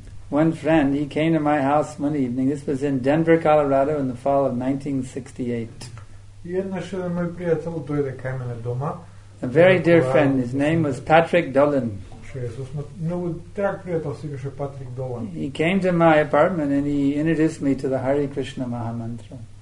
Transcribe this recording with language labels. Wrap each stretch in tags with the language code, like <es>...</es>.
<en>One friend, he came to my house one evening. This was in Denver, Colorado, in the fall of 1968.</en> <mk>И еднаш еден мој пријател дојде кај мене дома.</mk> <en>A very dear friend, his name was Patrick Dolan. He came to my apartment and he introduced me to the Hare Krishna Maha Mantra.</en>